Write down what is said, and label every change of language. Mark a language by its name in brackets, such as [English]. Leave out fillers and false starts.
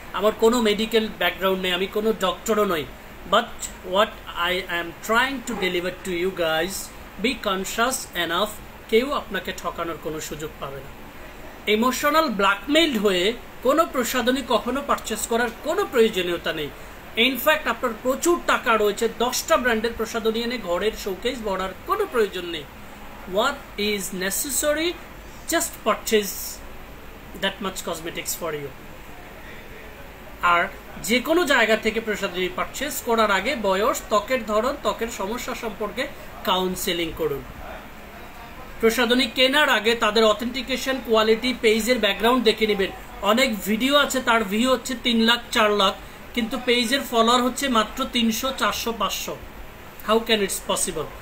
[Bangla] আমার কোনো medical background নেই, আমি কোনো ডক্টরও নই, [English] but what I am trying to deliver to you guys, be conscious enough, [Bangla] কেউ আপনাকে ঠকানোর কোনো সুযোগ পাবে না। ইমোশনাল ব্ল্যাকমেইলড হয়ে কোনো প্রসাধনী কখনো পারচেস করার কোনো প্রয়োজনীয়তা নেই। ইনফ্যাক্ট আপনার প্রচুর টাকা রয়েছে, 10টা ব্র্যান্ডের প্রসাধনী এনে ঘরের শোকেস বড়ার কোনো প্রয়োজন নেই। [English] What is necessary, just purchase that much cosmetics for you. [Bangla] আর যে কোনো জায়গা থেকে প্রসাধনী পারচেস করার আগে বয়স, ত্বকের ধরন, ত্বকের সমস্যা সম্পর্কে কাউন্সেলিং করুন। প্রসাধনী কেনার আগে তাদের অথেন্টিকেশন, কোয়ালিটি, পেজের ব্যাকগ্রাউন্ড দেখে নেবেন। অনেক ভিডিও আছে তার ভিউ হচ্ছে 3 লাখ 4 লাখ, কিন্তু পেজের ফলোয়ার হচ্ছে মাত্র 300 400 500। [English] How can it's possible?